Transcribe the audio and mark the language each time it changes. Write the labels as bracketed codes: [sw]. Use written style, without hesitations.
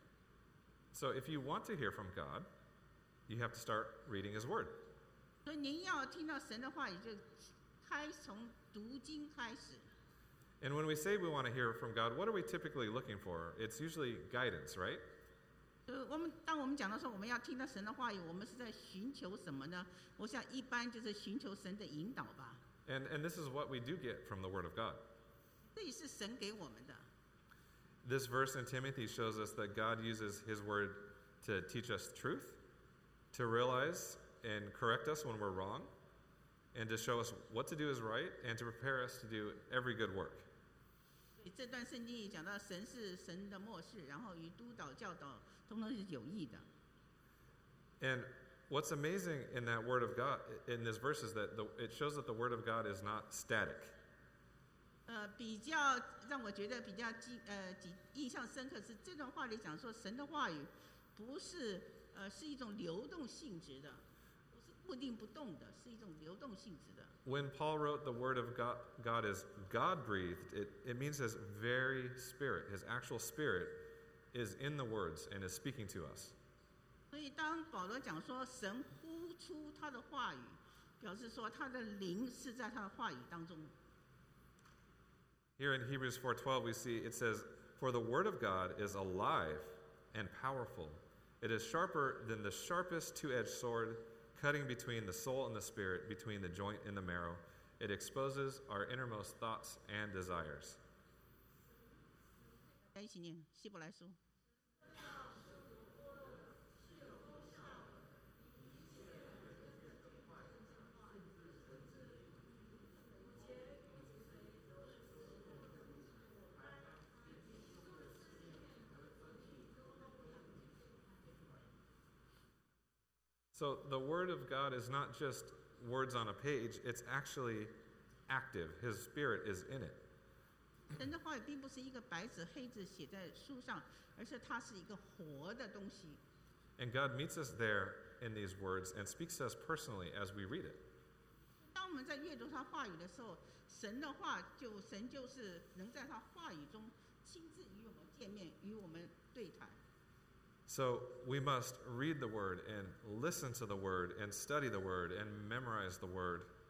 [en] if you want to hear from God, you have to start reading His Word. [zh] 所以您要听到神的话语，就从读经开始。 [en] And when we say we want to hear from God, what are we typically looking for? It's usually guidance, right? [zh] 当我们讲到说我们要听到神的话语，我们是在寻求什么呢？我想一般就是寻求神的引导吧。 [en] And this is what we do get from the Word of God. [zh] 这也是神给我们的。 [en] This verse in Timothy shows us that God uses His Word to teach us truth, to realize and correct us when we're wrong, and to show us what to do is right and to prepare us to do every good work. [zh] 这段圣经讲到神是神的末世，然后与督导教导通通是有益的。 [en] And what's amazing in that word of God, in this verse, is that it shows that the word of God is not static. [zh] 比较让我觉得比较印象深刻是这段话里讲说神的话语不是是一种流动性质的，不是固定不动的，是一种流动性质的。 [en] When Paul wrote the word of God, God is God-breathed, it means his very spirit, his actual spirit, is in the words and is speaking to us. [zh] 所以当保罗讲说神呼出他的话语，表示说他的灵是在他的话语当中。 [en] Here in Hebrews 4:12, we see it says, "For the word of God is alive and powerful. It is sharper than the sharpest two-edged sword, cutting between the soul and the spirit, between the joint and the marrow. It exposes our innermost thoughts and desires." [zh] 一起念希伯来书。 [en] So the word of God is not just words on a page, it's actually active. His spirit is in it. [zh] 神的话语并不是一个白纸黑字写在书上，而是它是一个活的东西。 [en] And God meets us there in these words and speaks to us personally as we read it. [zh] 当我们在阅读他话语的时候，神的话就，神就是能在他话语中亲自与我们见面，与我们对谈。 [en] So we must read the word and listen to the word and study the word and memorize the word.